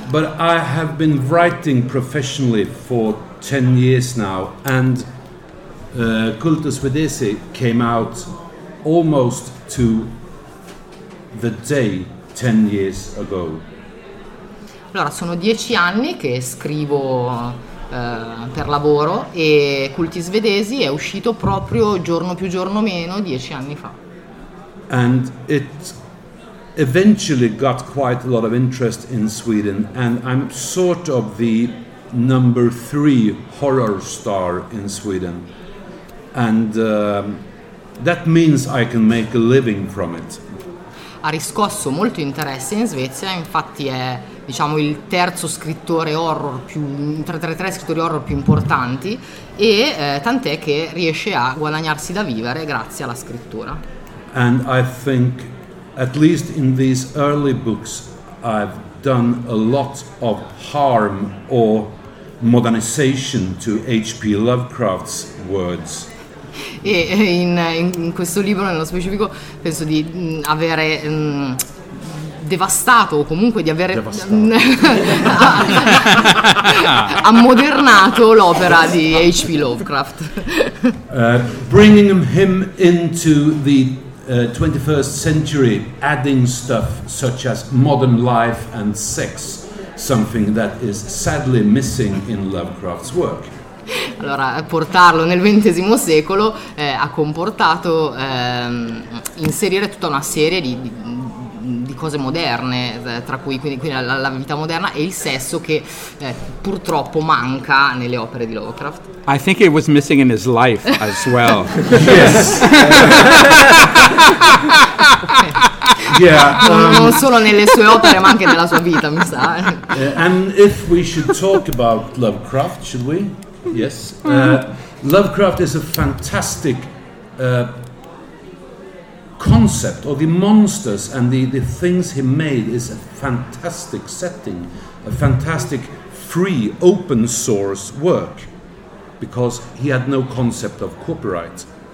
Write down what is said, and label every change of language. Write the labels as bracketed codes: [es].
[en] But I have been writing professionally for 10 years now, and Kulta Svedese came out almost to the day 10 years ago. [it] Allora, sono 10 anni che scrivo per lavoro e Culti Svedesi è uscito proprio giorno più giorno meno 10 anni fa. [en] And it eventually got quite a lot of interest in Sweden, and I'm sort of the number 3 horror star in Sweden. and that means I can make a living from it. [it] Ha riscosso molto interesse in Svezia, infatti è, diciamo, il terzo scrittore horror più tra i tre scrittori horror più importanti, e tant'è che riesce a guadagnarsi da vivere grazie alla scrittura. [en] And I think at least in these early books I've done a lot of harm or modernization to H.P. Lovecraft's words. [it] E in questo libro nello specifico penso di avere devastato, o comunque di avere ammodernato l'opera di H.P. Lovecraft. [en] Bringing him into the 21st century, adding stuff such as modern life and sex, something that is sadly missing in Lovecraft's work. [it] Allora, portarlo nel XX secolo ha comportato inserire tutta una serie di cose moderne, tra cui quindi la vita moderna e il sesso, che purtroppo manca nelle opere di Lovecraft. [en] I think it was missing in his life as well. Yes. Yeah, [it] non solo nelle sue opere, ma anche nella sua vita, mi sa. [en] And if we should talk about Lovecraft, should we? Yes. Lovecraft is a fantastic concept, or the monsters and the things he made is a fantastic setting, a fantastic free open source work, because he had no concept of copyright.